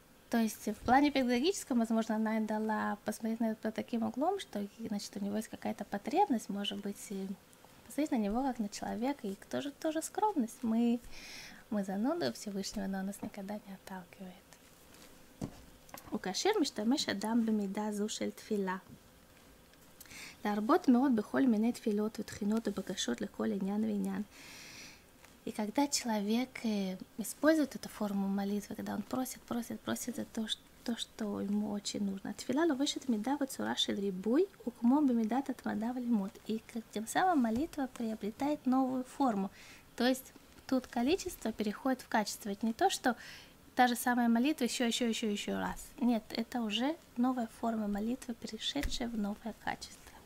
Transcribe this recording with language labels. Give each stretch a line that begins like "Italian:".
Russian: То есть в плане педагогическом, возможно, она дала посмотреть на это под таким углом, что значит, у него есть какая-то потребность, может быть, посмотреть на него как на человека, и тоже, тоже скромность. Мы зануды Всевышнего, но он нас никогда не отталкивает.
Hebrew: וכאשר משתמש אדם במידה זו של תפילה להרבות מאוד בכל מיני תפילות ותחינות ובקשות לכל עניין ועניין
Russian: и когда человек использует эту форму молитвы, когда он просит за то, что ему очень нужно.
Hebrew: תפילה לובשת מידה בצורה של ריבוי וכמו במידת התמדה ולימוד.
Russian: И тем самым молитва приобретает новую форму. То есть тут количество переходит в качество. Это не то, что та же самая молитва еще раз. Нет, это уже новая форма молитвы, перешедшая в новое качество.